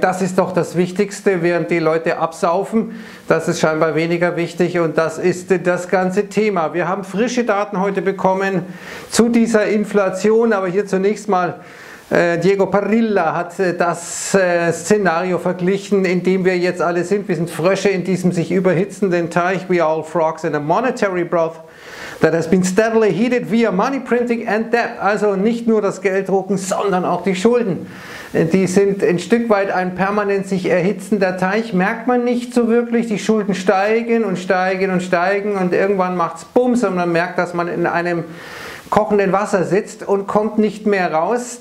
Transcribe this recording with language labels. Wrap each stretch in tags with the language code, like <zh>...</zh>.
<de>Das ist doch das Wichtigste, während die Leute absaufen. Das ist scheinbar weniger wichtig und das ist das ganze Thema. Wir haben frische Daten heute bekommen zu dieser Inflation, aber hier zunächst mal Diego Parrilla hat das Szenario verglichen, in dem wir jetzt alle sind. Wir sind Frösche in diesem sich überhitzenden Teich.</de> <en>We are all frogs in a monetary broth that has been steadily heated via money printing and debt.</en> <de>Also nicht nur das Gelddrucken, sondern auch die Schulden. Die sind ein Stück weit ein permanent sich erhitzender Teich. Merkt man nicht so wirklich. Die Schulden steigen und steigen und steigen und irgendwann macht es Bums und man merkt, dass man in einem kochenden Wasser sitzt und kommt nicht mehr raus.</de>